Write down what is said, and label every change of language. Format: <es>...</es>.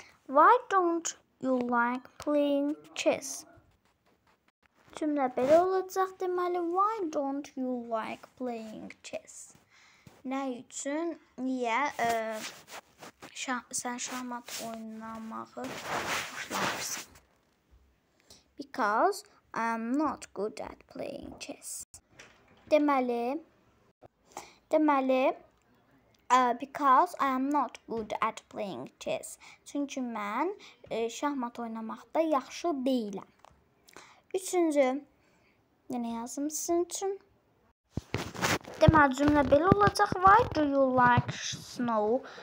<en>Why don't you like playing chess?</en> <az>Cümlə belə olacaq deməli.</az> <en>Why don't you like playing chess?</en> <az>Nə üçün? Niyə? Sən şahmat oynamağı xoşlamırsın.</az> <en>Because I am not good at playing chess. Deməli, because I am not good at playing chess.</en> <az>Çünki mən şahmat oynamaqda yaxşı deyiləm. Üçüncü, yenə yazım sizin üçün. Deməli, cümlə belə olacaq.</az> <en>Why do you like snow?</en>